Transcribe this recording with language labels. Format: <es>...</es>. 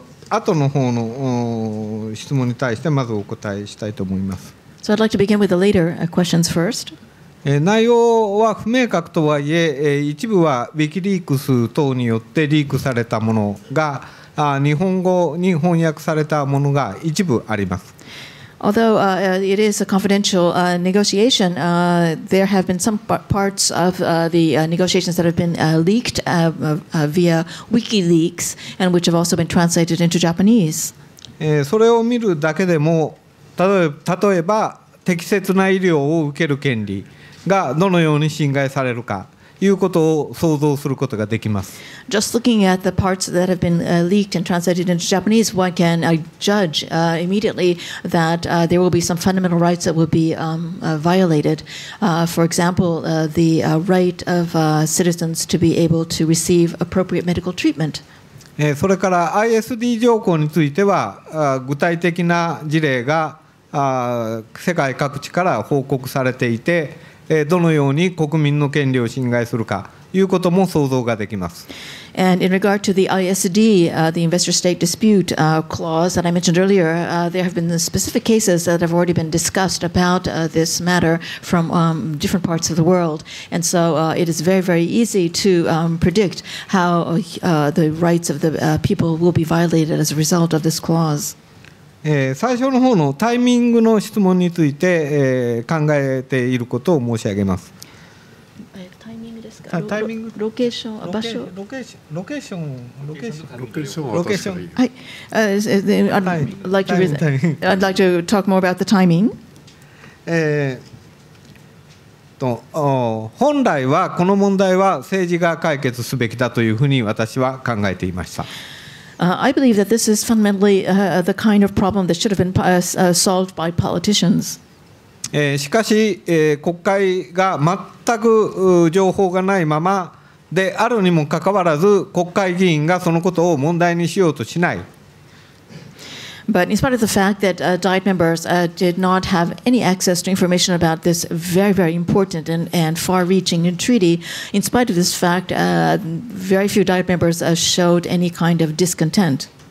<ja>後の方の質問に対してまずお答えしたいと思います。</ja> <en>So I'd like to begin with the later questions first.</en> <ja>内容は不明確とはいえ、一部はウィキリークス等によってリークされたものが、日本語に翻訳されたものが一部あります。</ja> <en>Although it is a confidential negotiation, there have been some parts of the negotiations that have been leaked via WikiLeaks and which have also been translated into Japanese.</en> <ja>それを見るだけでも、例えば適切な医療を受ける権利がどのように侵害されるか。いうことを想像することができます。</ja> <en>Just looking at the parts that have been leaked and translated into Japanese, one can judge immediately that there will be some fundamental rights that will be violated. For example, the right of citizens to be able to receive appropriate medical treatment.</en> <ja>それから ISD 条項については具体的な事例が世界各地から報告されていて、どのように国民の権利を侵害するかということも想像ができます。</ja> <en>And in regard to the ISD, the investor state dispute clause that I mentioned earlier, there have been specific cases that have already been discussed about this matter from different parts of the world. And so it is very, very easy to predict how the rights of the people will be violated as a result of this clause.</en> <ja>最初の方のタイミングの質問について、考えていることを申し上げます。タイミングですか。ロケーション</ja> <en>、はい、I'd like to talk more about the timing.</en> <ja>本来はこの問題は政治が解決すべきだというふうに私は考えていました。</ja> <en>I believe that this is fundamentally the kind of problem that should have been solved by politicians.</en> <ja>しかし、国会が全く情報がないままであるにもかかわらず、国会議員がそのことを問題にしようとしない。</ja> <en>But in spite of the fact that Diet members did not have any access to information about this very, very important and far-reaching treaty, in spite of this fact, very few Diet members showed any kind of discontent.</en>